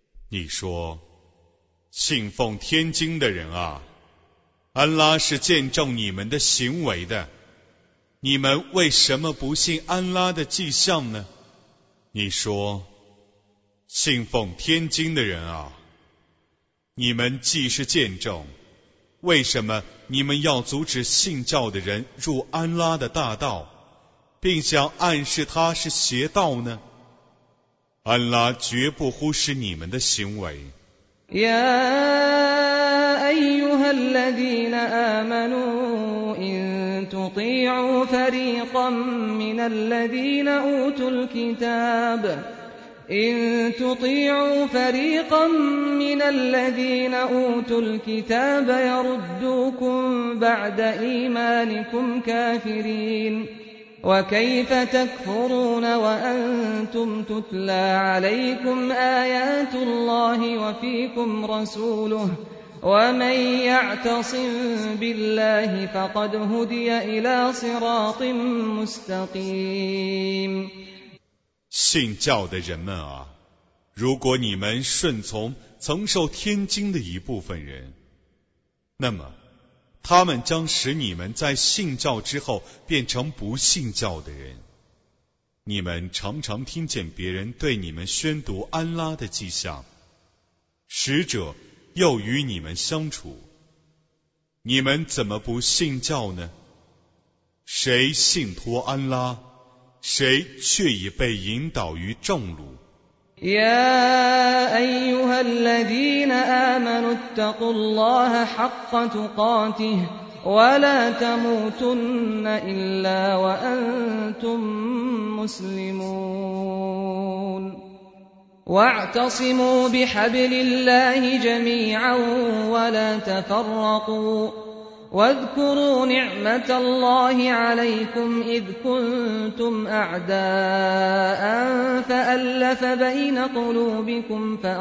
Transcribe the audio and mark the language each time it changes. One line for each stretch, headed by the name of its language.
Chinese: 你说信奉天经的人啊安拉是见证你们的行为的你们为什么不信安拉的迹象呢你说信奉天经的人啊你们既是见证为什么你们要阻止信教的人入安拉的大道并想暗示他是邪道呢安拉绝不忽视你们的行为
Arabic: يا أيها الذين آمنوا إن تطيعوا فريقا من الذين أوتوا الكتاب إن تطيعوا فريقا من الذين أوتوا الكتاب يردوكم بعد إيمانكم كافرينوكيف تكفرون وأنتم تتلى عليكم آيات الله وفيكم رسوله ومن يعتصم بالله فقد هدي إلى صراط مستقيم
Chinese: 信教的人们啊如果你们顺从曾受天经的一部分人那么他们将使你们在信教之后变成不信教的人。你们常常听见别人对你们宣读安拉的迹象，使者又与你们相处，你们怎么不信教呢？谁信托安拉，谁却已被引导于正路。
Arabic: يا أيها الذين آمنوا اتقوا الله حق تقاته ولا تموتن إلا وأنتم مسلمون واعتصموا بحبل الله جميعا ولا تفرقوا واذكروا نعمة الله عليكم إذ كنتم أعداء فألف بين قلوبكم